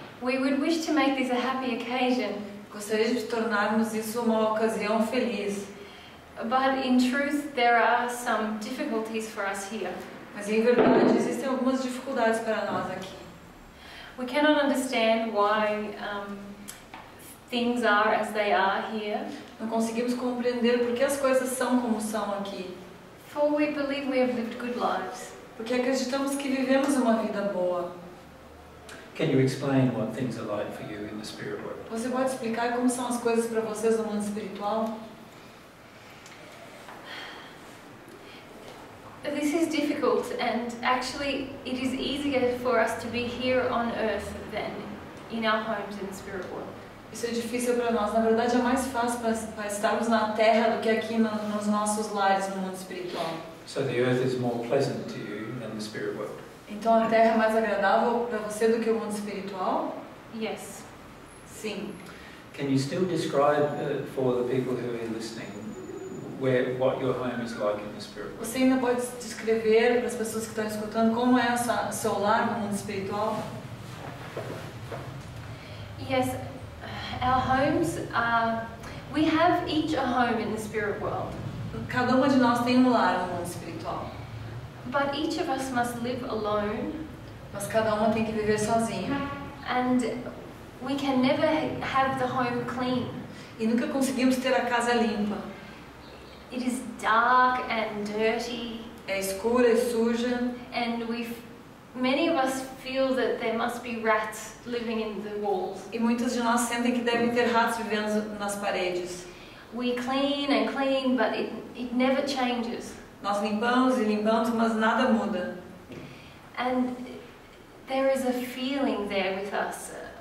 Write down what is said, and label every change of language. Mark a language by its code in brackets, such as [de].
[en] We would wish to make this a happy occasion. [pt] Gostaria de tornarmos isso uma ocasião feliz. [en] But in truth, there are some difficulties for us here. [pt] Mas em verdade, existem algumas dificuldades para nós aqui. [en] We cannot understand why things are as they are here. [pt] Não conseguimos compreender por que as coisas são como são aqui. [en] For we believe we have lived good lives. [pt] Porque acreditamos que vivemos uma vida boa. [en] Can you explain what things are like for you in the spirit world? [pt] Você pode explicar como são as coisas para vocês no mundo espiritual? [en] This is difficult, and actually, it is easier for us to be here on Earth than in our homes in the spirit world. [pt] Isso é difícil para nós. Na verdade, é mais fácil para estarmos na Terra do que aqui nos nossos lares no mundo espiritual. [en] So the Earth is more pleasant to you than the spirit world. [pt] Então a Terra é mais agradável para você do que o mundo espiritual? [en] Yes. [pt] Sim. [en] Can you still describe for the people who are listening? Where what your home is like in the spirit world. [pt] Você ainda pode descrever para as pessoas que estão escutando como é seu lar no mundo espiritual? [en] Yes, our homes are. We have each a home in the spirit world. [pt] Cada uma de nós tem lar no mundo espiritual. [en] But each of us must live alone. [pt] Mas cada uma tem que viver sozinha. [en] And we can never have the home clean. [pt] E nunca conseguimos ter a casa limpa. [en] It is dark and dirty. [pt] É escuro, é suja. [en] And many of us feel that there must be rats living in the walls. [pt] E muitos de nós sentem que devem ter ratos vivendo nas paredes. [en] We clean and clean, but it never changes. [pt] Nós limpamos e limpamos, mas nada muda. [en] And there is a feeling there with us.